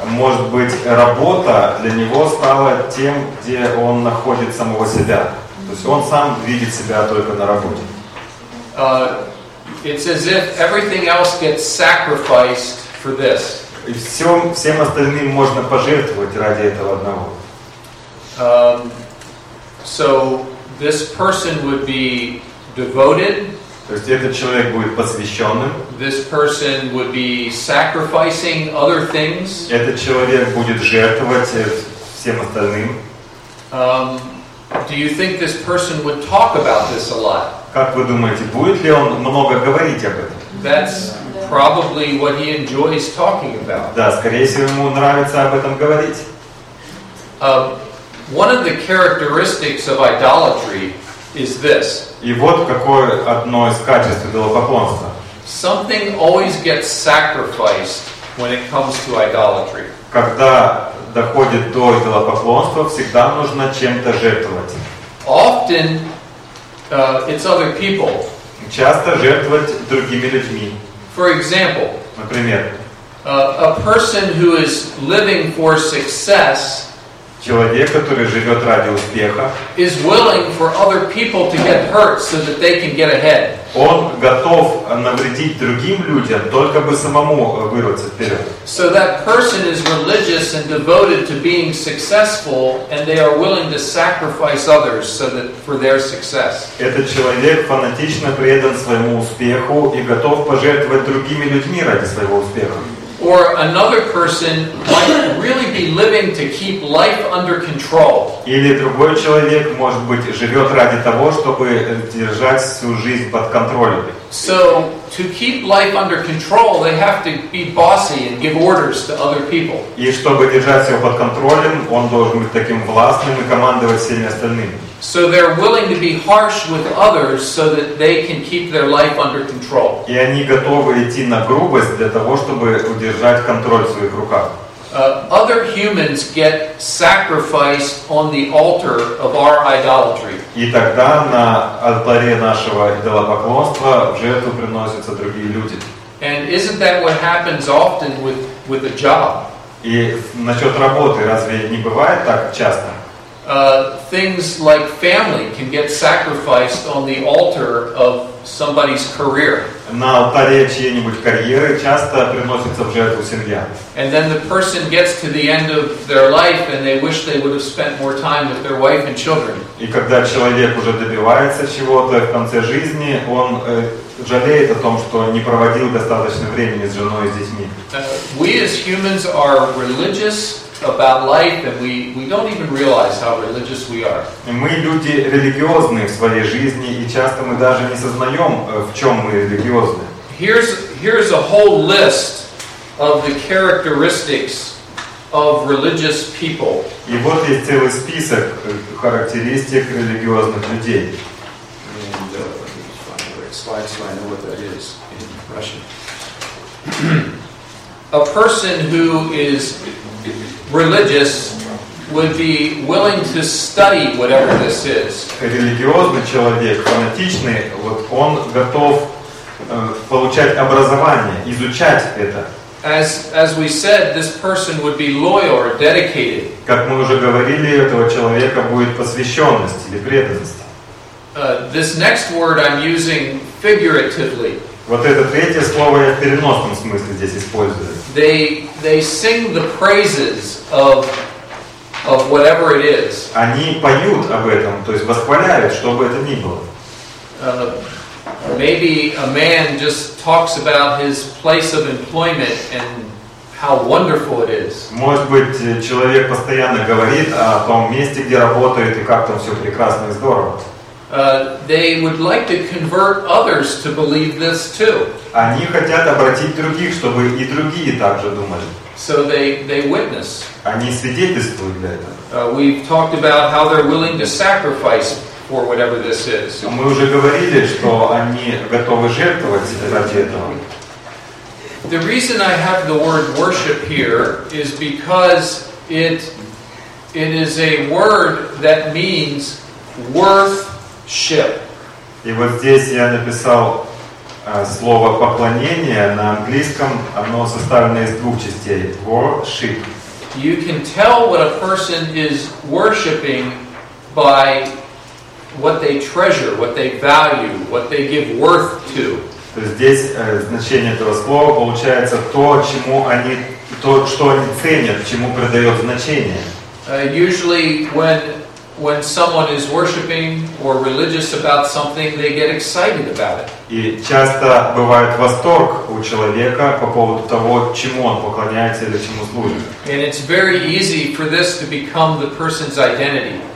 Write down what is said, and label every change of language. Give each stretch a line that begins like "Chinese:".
Russian: Может быть, работа для него стала тем, где он находит самого себя. То есть он сам видит себя только на работе.
English: It's as if everything else gets sacrificed for this.
Russian: И всем остальным можно пожертвовать ради этого одного.
English: So this person would be devoted.
Russian: То есть этот человек будет посвященным.
English: This person would be sacrificing other things.
Russian: Этот человек будет жертвовать всем остальным.
English: Do you think this person would talk about this a lot?
Russian: Как вы думаете, будет ли он много говорить об этом?
English: That's probably what he enjoys talking about.
Russian: Да, скорее всего, ему нравится об этом говорить.
English: One of the characteristics of idolatry is this.
Russian: И вот какое одно из качеств идолопоклонства.
English: Something always gets sacrificed when it comes to idolatry.
Russian: Когда доходит до идолопоклонства, всегда нужно чем-то жертвовать.
English: Often it's other people.
Russian: Часто жертвовать другими людьми.
English: For example,
Russian: например,
English: a person who is living for success.
Russian: Человек, который живет ради успеха,
English: is willing for other people to get hurt so that they can get ahead.
Russian: Он готов навредить другим людям, только бы самому вырваться вперед.
English: So that person is religious and devoted to being successful, and they are willing to sacrifice others so that for their success.
Russian: Этот человек фанатично предан своему успеху и готов пожертвовать другими людьми ради своего успеха.
English: Or another person might really be living to keep life under control.
Russian: Или другой человек, может быть, живет ради того, чтобы держать всю жизнь под контролем.
English: So to keep life under control, they have to be bossy and give orders to other people.
Russian: И чтобы держать его под контролем, он должен быть таким властным и командовать всеми остальными.
English: So they're willing to be harsh with others so that they can keep their life under control.
Russian: И они готовы идти на грубость для того, чтобы удержать контроль в своих руках.
English: Other humans get sacrificed on the altar of our idolatry.
Russian: И тогда на алтаре нашего идолопоклонства в жертву приносятся другие люди.
English: And isn't that what happens often with a job?
Russian: И насчет работы разве не бывает так часто?
English: Things like family can get sacrificed on the altar of somebody's career.
Russian: На алтаре чьей-нибудь карьеры часто приносится в жертву семья.
English: And then the person gets to the end of their life and they wish they would have spent more time with their wife and children.
Russian: И когда человек уже добивается чего-то в конце жизни, он жалеет о том, что не проводил достаточно времени с женой и с детьми.
English: We as humans are religious about life, and we don't even realize how religious we are.
Russian: Мы люди религиозны в своей жизни, и часто мы даже не сознаем, в чем мы религиозны.
English: Here's a whole list of the characteristics of religious people.
Russian: И вот есть целый список характеристик религиозных людей.
English: And slide, so I know what that is in Russian. A person who is religious would be willing to study whatever this is.
Russian: Религиозный человек, фанатичный, вот он готов получать образование, изучать это.
English: As we said, this person would be loyal or dedicated.
Russian: Как мы уже говорили, у этого человека будет посвященность или преданность.
English: This next word I'm using figuratively.
Russian: Вот это третье слово я в переносном смысле здесь использую.
English: They sing the praises of whatever it is.
Russian: Они поют об этом, то есть восхваляют, что бы это ни было.
English: Maybe a man just talks about his place of employment and how wonderful it is.
Russian: Может быть, человек постоянно говорит о том месте, где работает, и как там все прекрасно и здорово.
English: They would like to convert others to believe this too.
Russian: Они хотят обратить других, чтобы и другие также думали.
English: So they witness.
Russian: Они свидетельствуют для этого.
English: We've talked about how they're willing to sacrifice for whatever this is.
Russian: Мы уже говорили, что они готовы жертвовать ради этого.
English: The reason I have the word worship here is because it is a word that means worth. Ship.
Russian: И вот здесь я написал слово поклонение на английском. Оно составлено из двух частей.
English: Worship. You can tell what a person is worshiping by what they treasure, what they value, what they give worth to.
Russian: То есть здесь значение этого слова получается то, чему они, то, что они ценят, чему придают значение.
English: Usually when someone is worshiping or religious about something, they get excited about it.
Russian: И часто бывает восторг у человека по поводу того, чему он поклоняется или чему служит.
English: And it's very easy for this to become the person's identity.